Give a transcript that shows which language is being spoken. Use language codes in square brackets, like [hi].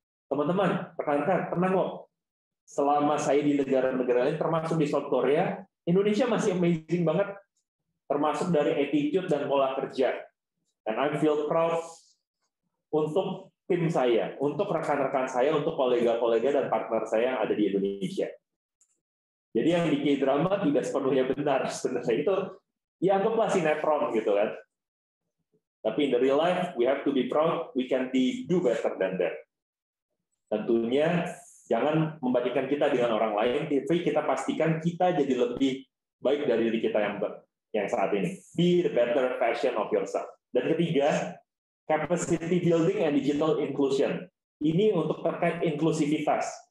[id] Teman-teman, rekan-rekan, tenang kok. Selama saya di negara-negara lain, termasuk di South Korea, Indonesia masih amazing banget, termasuk dari attitude dan pola kerja. [en] And I feel proud [id] untuk tim saya, untuk rekan-rekan saya, untuk kolega-kolega dan partner saya yang ada di Indonesia. Jadi yang di K-drama tidak sepenuhnya benar sebenarnya itu, ya anggaplah sinetron gitu kan. Tapi [en] in the real life, we have to be proud, we can do better than that. [id] Tentunya, jangan membandingkan kita dengan orang lain, tapi kita pastikan kita jadi lebih baik dari diri kita yang saat ini. [en] Be the better version of yourself. [id] Dan ketiga, [en] capacity building and digital inclusion. [id] Ini untuk terkait inklusivitas.